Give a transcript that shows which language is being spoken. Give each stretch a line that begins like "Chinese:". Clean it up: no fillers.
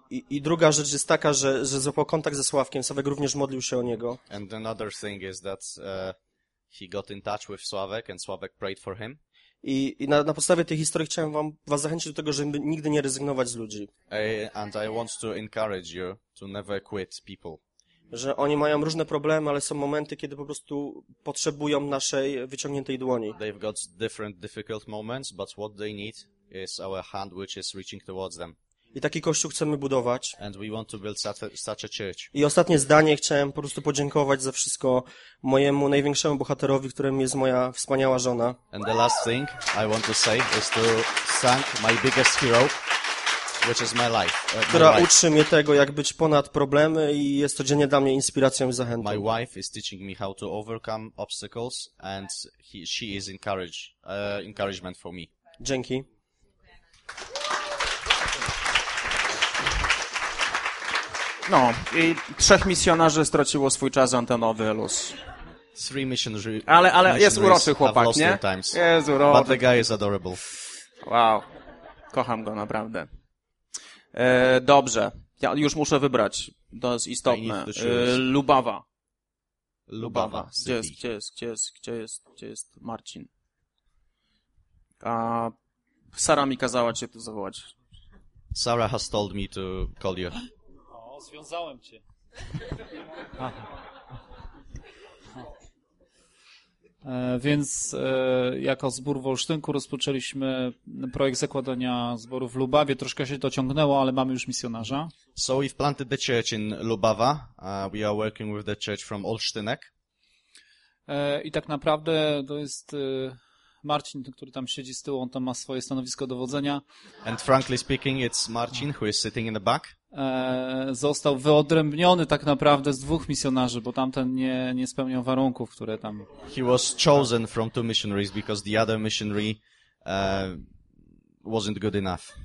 Polish: I druga rzecz jest taka, że złapał kontakt ze Sławkiem. Sławek również modlił się o niego.
English: And another thing is that... He got in touch with Sławek and Sławek prayed for him.
Polish: I na podstawie tej historii chciałem was zachęcić do tego, żeby nigdy nie rezygnować z ludzi.
English: And I want to encourage you to never quit people.
Polish: Że oni mają różne problemy, ale są momenty, kiedy po prostu potrzebują naszej wyciągniętej dłoni.
English: They've got different difficult moments, but what they need is our hand which is reaching towards them.
Polish: I taki kościół chcemy budować.
English: And we want to build such a church.
Polish: I ostatnie zdanie, chciałem po prostu podziękować za wszystko mojemu największemu bohaterowi, którym jest moja wspaniała żona.
English: And the last thing I want to say is to thank my biggest hero, which is my life.
Polish: Która uczy mnie tego, jak być ponad problemy i jest codziennie dla mnie inspiracją i zachętą.
English: My wife is teaching me how to overcome obstacles and she is encouragement for me.
Polish: Dzięki. No, i 3 misjonarzy straciło swój czas antenowy, luz.
English: 3 missionaries.
Polish: Ale jest uroczy chłopak, nie? Jest uroczy.
English: But the guy is adorable.
Polish: Wow, kocham go naprawdę. Dobrze, ja już muszę wybrać, to jest istotne. Lubawa. Lubawa. Gdzie jest Marcin? A Sara mi kazała cię tu zawołać.
English: Sarah has told me to call you.
Polish: O, związałem cię. Więc jako zbór w Olsztynku rozpoczęliśmy projekt zakładania zboru w Lubawie. Troszkę się to ciągnęło, ale mamy już misjonarza.
English: So we've planted the church in Lubawa. We are working with the church from Olsztynek.
Polish: I tak naprawdę to jest Marcin, który tam siedzi z tyłu, on tam ma swoje stanowisko dowodzenia.
English: And frankly speaking, it's Marcin, who is sitting in the back.
Polish: Został wyodrębniony tak naprawdę z dwóch misjonarzy, bo tamten nie spełniał warunków, które tam...
English: He was chosen from two missionaries, because the other missionary wasn't good enough.